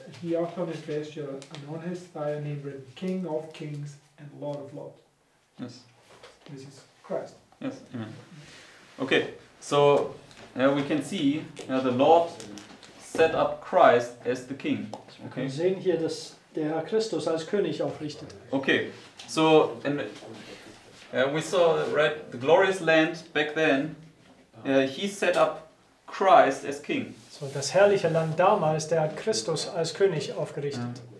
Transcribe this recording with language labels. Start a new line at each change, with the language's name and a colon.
English: And he hath on his vesture and on his thigh a name written, King of Kings and Lord of Lords. Yes. This is Christ. Yes, amen. Okay, so we can see the Lord set up Christ as the king. Okay.
German: Wir sehen hier das der Herr Christus als König aufrichtet.
English: Okay, so and we saw right, the glorious land back then. He set up Christ as king.
German: So das herrliche Land damals, der hat Christus als König aufgerichtet.